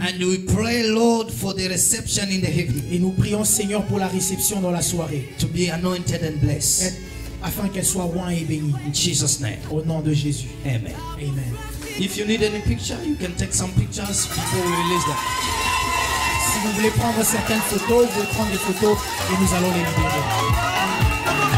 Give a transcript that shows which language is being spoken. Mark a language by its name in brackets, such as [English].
[English] And we pray, Lord, for the reception in the evening. [French] Et nous prions, Seigneur, pour la réception dans la soirée. [English] To be anointed and blessed. [French] Afin qu'elle soit oint et bénie. [English] In Jesus' name. [French] Au nom de Jésus. [English] Amen. [French] Amen. [English] If you need any picture, you can take some pictures. People will release them. [French] Si vous voulez prendre certaines photos, vous pouvez prendre des photos et nous allons les libérer.